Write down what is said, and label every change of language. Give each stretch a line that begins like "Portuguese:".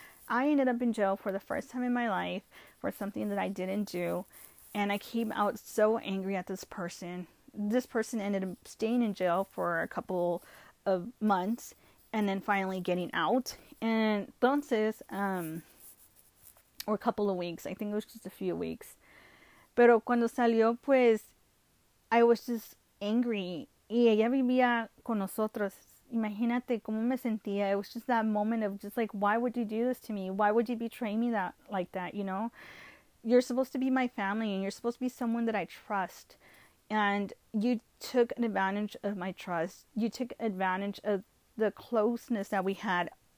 English: I ended up in jail for the first time in my life for something that I didn't do, and I came out so angry at this person. This person ended up staying in jail for a couple of months and then finally getting out. And
Spanish: entonces,
English: or a couple of weeks, I think it was just a few weeks.
Spanish: Pero cuando salió, pues,
English: I was just angry.
Spanish: Y ella vivía con nosotros. Imagínate cómo me sentía.
English: It was just that moment of just like, why would you do this to me? Why would you betray me that like that, you know? You're supposed to be my family and you're supposed to be someone that I trust. And you took an advantage of my trust. You took advantage of the closeness that we had.